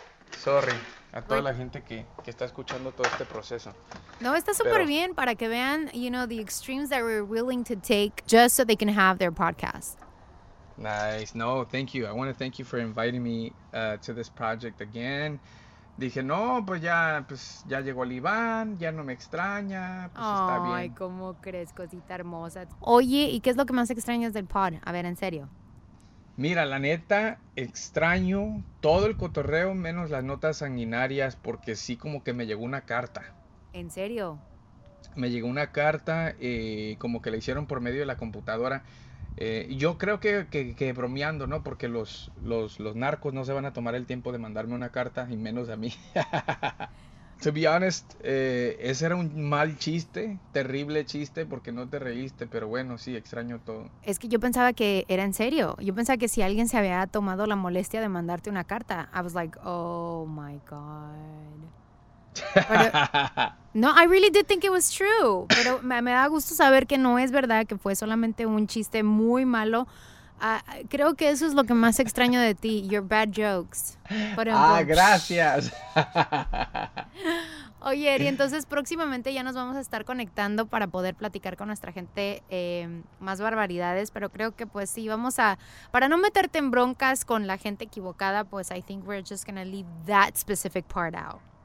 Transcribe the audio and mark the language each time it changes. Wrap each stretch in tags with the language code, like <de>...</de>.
<es>Sorry a toda la gente que está escuchando todo este proceso. No, está súper bien para que vean,</es> <en>you know, the extremes that we're willing to take just so they can have their podcast. Nice. No, thank you. I want to thank you for inviting me to this project again.</en> <es>Dije, no, pues ya llegó el Iván, ya no me extraña, pues oh, está bien. Ay, cómo crees, cosita hermosa. Oye, ¿y qué es lo que más extrañas del pod? A ver, en serio. Mira, la neta, extraño todo el cotorreo menos las notas sanguinarias porque sí como que me llegó una carta. ¿En serio? Me llegó una carta como que la hicieron por medio de la computadora. Yo creo que bromeando, ¿no? Porque los narcos no se van a tomar el tiempo de mandarme una carta, y menos a mí.</es> <en>To be honest,</en> <es>ese era un mal chiste, terrible chiste, porque no te reíste, pero bueno, sí, extraño todo. Es que yo pensaba que era en serio. Yo pensaba que si alguien se había tomado la molestia de mandarte una carta.</es> <en>I was like, oh my God.</en> <es>Pero, no,</es> <en>I really did think it was true.</en> <es>Pero me da gusto saber que no es verdad, que fue solamente un chiste muy malo. Creo que eso es lo que más extraño de ti,</es> <en>your bad jokes.</en> <es>Por Ah, ejemplo, gracias. oye, y entonces próximamente ya nos vamos a estar conectando para poder platicar con nuestra gente más barbaridades, pero creo que pues sí, vamos a, para no meterte en broncas con la gente equivocada, pues</es> <en>I think we're just gonna leave that specific part out.</en>